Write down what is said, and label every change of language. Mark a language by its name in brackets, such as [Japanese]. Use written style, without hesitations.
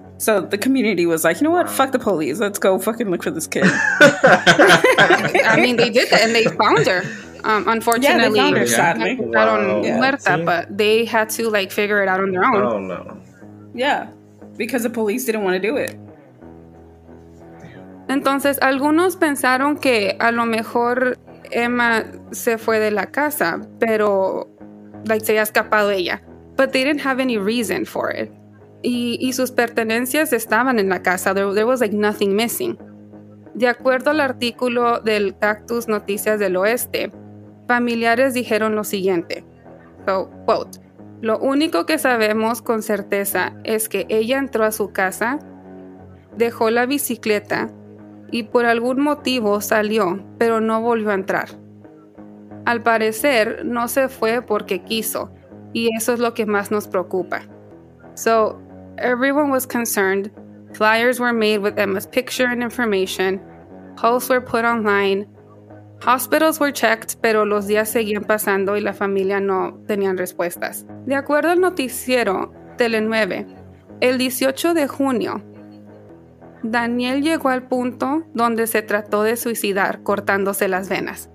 [English] So the community was like, you know what? Fuck the police. Let's go fucking look for this kid. I mean, they did that and they found her. Unfortunately, yeah, they found her, sadly. But they had to like figure it out on their own. Oh no. Yeah, because the police didn't want to do it. [Spanish] Entonces, algunos pensaron que a lo mejor Emma se fue de la casa, pero like se había escapado ella. [English] But they didn't have any reason for it. [Spanish] Y sus pertenencias estaban en la casa. [English] There was like nothing missing. [Spanish] De acuerdo al artículo del Cactus Noticias del Oeste, familiares dijeron lo siguiente. So, quote, lo único que sabemos con certeza es que ella entró a su casa, dejó la bicicleta y por algún motivo salió, pero no volvió a entrar. Al parecer, no se fue porque quiso, y eso es lo que más nos preocupa. [English] So, everyone was concerned. Flyers were made with Emma's picture and information. Posts were put online. Hospitals were checked, [Spanish] pero los días seguían pasando y la familia no tenían respuestas. De acuerdo al noticiero Telenueve, el 18 de junio, Daniel llegó al punto donde se trató de suicidar cortándose las venas.